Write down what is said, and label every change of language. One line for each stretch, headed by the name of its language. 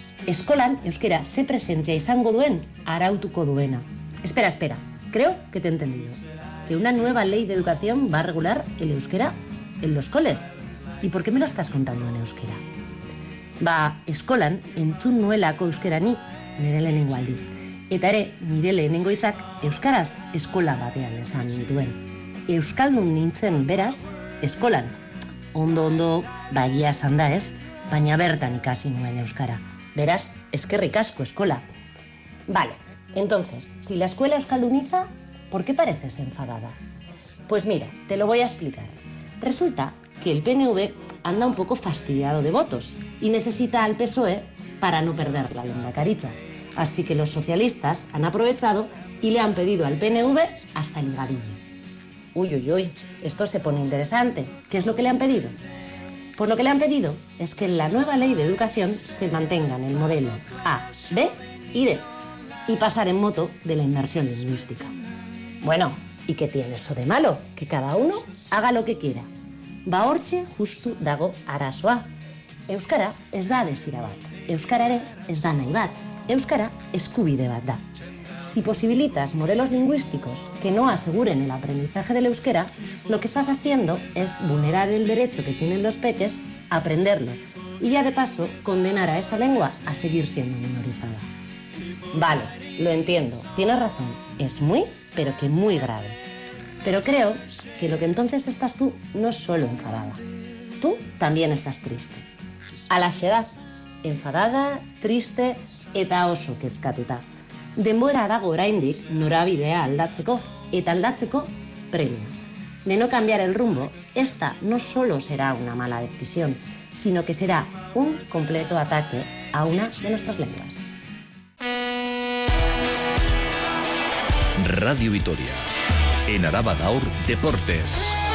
Basque: Eskolan euskera ze presentzia izango duen arautuko duena.
Spanish: Espera, espera, creo que te he entendido. Que una nueva ley de educación va a regular el euskera en los coles. ¿Y por qué me lo estás contando en euskera?
Basque: Ba, eskolan entzun nuelako euskera ni, nire lehenengo aldiz. Eta ere, nire lehenengo hitzak euskaraz eskola batean esan dituen. Euskaldun nintzen beraz, eskolan. Ondo, bagia esan da ez, baina bertan ikasi nuen euskara. Beraz, eskerrik asko eskola.
Spanish: Vale, entonces, si la escuela euskalduniza, ¿por qué pareces enfadada? Pues mira, te lo voy a explicar. Resulta que el PNV anda un poco fastidiado de votos y necesita al PSOE para no perder la lendakaritza. Así que los socialistas han aprovechado y le han pedido al PNV hasta ligadillo. Uy, uy, uy, esto se pone interesante. ¿Qué es lo que le han pedido? Pues lo que le han pedido es que en la nueva ley de educación se mantengan el modelo A, B y D y pasar en moto de la inmersión lingüística. Bueno, ¿y qué tiene eso de malo? Que cada uno haga lo que quiera.
Basque: Ba hortxe justu dago arazoa. Euskara ez da desira bat. Euskarare ez da nahi bat. Euskara eskubide bat da.
Spanish: Si posibilitas modelos lingüísticos que no aseguren el aprendizaje del euskera, lo que estás haciendo es vulnerar el derecho que tienen los peques a aprenderlo y ya de paso condenar a esa lengua a seguir siendo minorizada. Vale, lo entiendo, tienes razón, es muy, pero que muy grave. Pero creo que lo que entonces estás tú no es solo enfadada, tú también estás triste. A la xedad, enfadada, triste
Basque: eta oso kezkatuta. Denbora dago oraindik norabidea aldatzeko eta aldatzeko premia.
Spanish: De no cambiar el rumbo, esta no solo será una mala decisión, sino que será un completo ataque a una de nuestras lenguas. Radio Vitoria. En Araba Gaur Deportes.